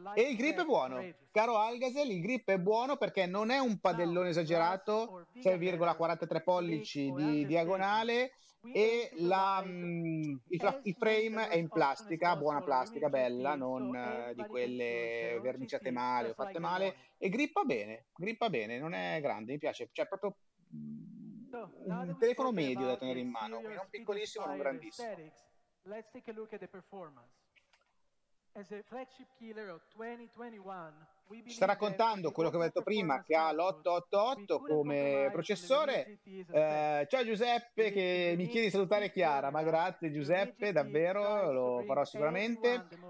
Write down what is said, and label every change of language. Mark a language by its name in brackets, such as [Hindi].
[Italian] E il grip è buono, caro Algazel, il grip è buono perché non è un padellone esagerato, 6,43 pollici di diagonale, e la, il frame è in plastica, buona plastica, bella, non di quelle verniciate male o fatte male, e grippa bene, non è grande, mi piace, cioè proprio un telefono medio da tenere in mano, non piccolissimo, non grandissimo. [English] Let's take a look at the performance. As a flagship killer of 2021, [Italian] ci sta raccontando quello che ho detto prima, che ha l'888 come processore. Ciao Giuseppe, che mi chiede di salutare Chiara, ma grazie Giuseppe, davvero, lo farò sicuramente.